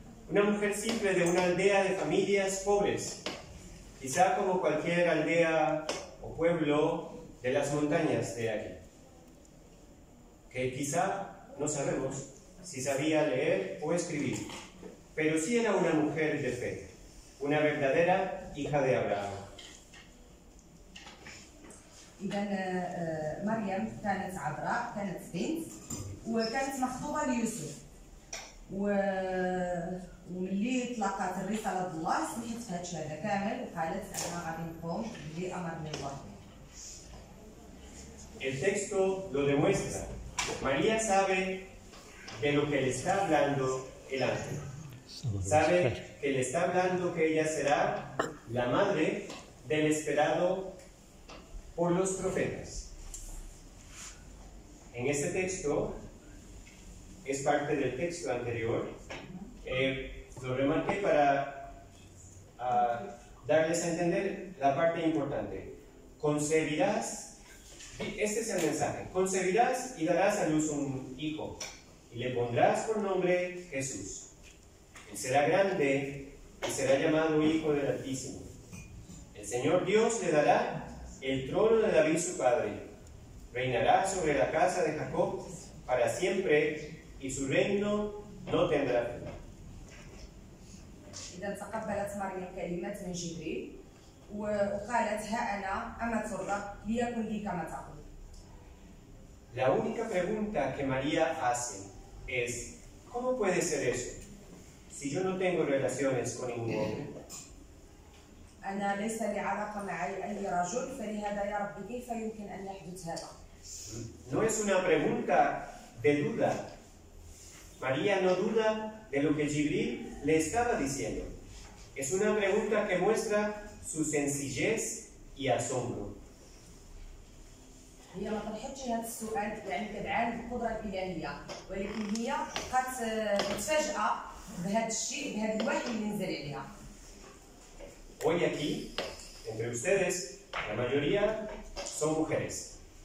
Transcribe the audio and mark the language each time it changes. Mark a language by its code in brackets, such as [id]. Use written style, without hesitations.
[es] Una mujer simple de una aldea de familias pobres, quizá como cualquier aldea o pueblo de las montañas de aquí, que quizá, no sabemos si sabía leer o escribir, pero sí era una mujer de fe, una verdadera hija de Abraham. [ar] إذن مريم كانت عذراء، كانت بنت وكانت مخطوبة ليوسف وملي تلقات الرسالة الله سمحت في هذا كامل وقالت أنا غادي نقوم بأمر من الله. [es] El texto lo demuestra. María sabe de lo que le está hablando el ángel. Sabe que le está hablando que ella será la madre del esperado por los profetas. En este texto, es parte del texto anterior, lo remarqué para darles a entender la parte importante. Concebirás, este es el mensaje, concebirás y darás a luz un hijo, y le pondrás por nombre Jesús. Él será grande y será llamado Hijo del Altísimo. El Señor Dios le dará el trono de David su padre, reinará sobre la casa de Jacob para siempre y su reino no tendrá fin. [ar] إذا تقبلت مريم كلمات من جبريل وقالت ها أنا أمة الرب ليكن لي كما تقول. [es] La única pregunta que María hace es ¿cómo puede ser eso si yo no tengo relaciones con ningún hombre? [ar] أنا ليس لي علاقة مع أي رجل فلهذا يا رب كيف يمكن أن يحدث هذا؟ [es] No es una pregunta de duda. María no duda de lo que Jibril le estaba diciendo. Es una pregunta que muestra su sencillez y asombro. [ar] هي ما طرحتش هذا السؤال يعني كدعان القدرة الإلهية ولكن هي قد تفاجأ بهذا الشيء بهذا الوحي اللي نزل عليها. [es] Hoy aquí, entre ustedes, la mayoría son mujeres.